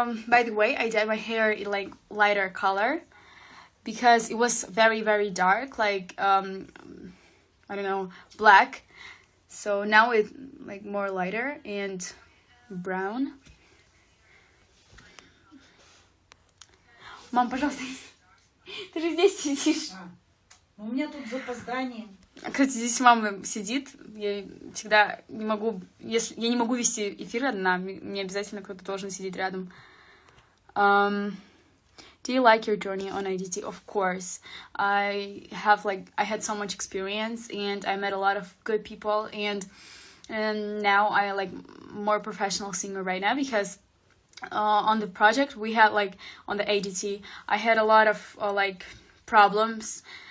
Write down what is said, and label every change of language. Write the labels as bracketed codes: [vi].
[en] By the way, I dyed my hair in like lighter color because it was very, very dark, like I don't know, black. So now it's like more lighter and brown. [ru] Мам, пожалуйста, ты же здесь сидишь. У меня тут запоздание. Кстати, здесь мама сидит, я всегда не могу, если я не могу вести эфир одна, мне обязательно кто-то должен сидеть рядом. [en] Do you like your journey on IDT? Of course. I had so much experience, and I met a lot of good people, and now I like more professional singer right now, because on the project we had, like, on the IDT, I had a lot of, like, problems.